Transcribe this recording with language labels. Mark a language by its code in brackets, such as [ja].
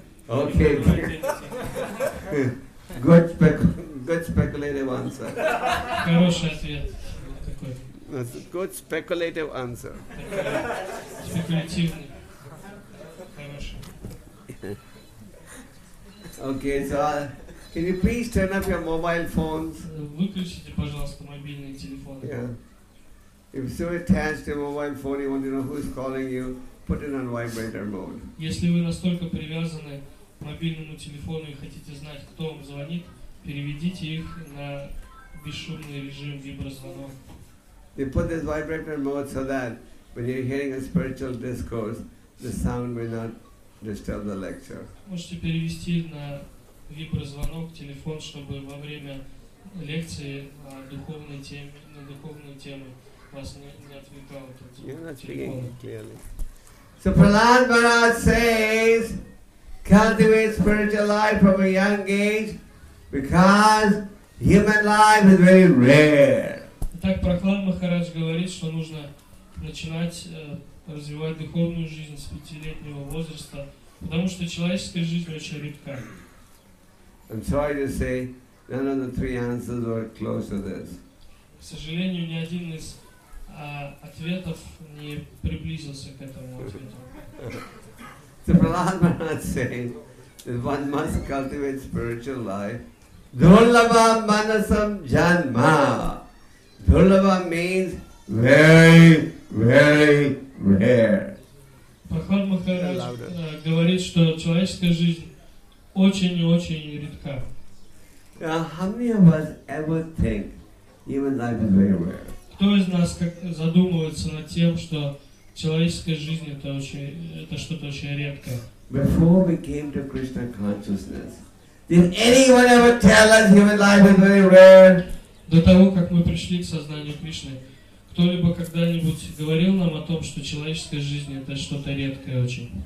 [en] Okay. Good speculative answer. [ru] Хороший ответ. Вот такой. [en] Good speculative answer. [ru] Спекулятивный. Хороший. [en] Okay, so can you please turn off your mobile phones? [ru] Выключите, пожалуйста, мобильные телефоны. [en] Yeah. If you're so attached to your mobile phone, you want to know who's calling you, put it on vibrator mode. [ru] Если вы настолько привязаны к мобильному телефону и хотите знать, кто вам звонит, переведите их на бесшумный режим виброзвонок. [en] You put this vibrator mode so that when you're hearing a spiritual discourse, the sound may not disturb the lecture. [ru] Можете перевести на виброзвонок телефон, чтобы во время лекции о духовной теме, на духовную тему вас не отвлекал этот телефон. [en] You're not speaking clearly. So Prahlad Maharaj says, cultivate spiritual life from a young age, because human life is very rare. [ru] Так Прахлад Махарадж говорит, что нужно начинать развивать духовную жизнь с пятилетнего возраста, потому что человеческая жизнь очень редка. [en] I'm sorry to say, none of the three answers were close to this. [ru] К сожалению, ни один из ответов не приблизился к этому ответу. [en] So Prahlad Maharaj saying that one must cultivate spiritual life. [sa] Dhurlabham manasam janma. [en] Dhurlabham means very, very rare. [ru] Прахлад Махарадж говорит, что человеческая жизнь очень и очень редка. [en] Now, how many of us ever think human life is very rare? [ru] Кто из нас задумывается над тем, что человеческая жизнь это что-то очень редкое? [en] Before we came to Krishna consciousness, did anyone ever tell us human life is very rare? [ru] До того, как мы пришли к сознанию Кришны, кто-либо когда-нибудь говорил нам о том, что человеческая жизнь это что-то редкое очень?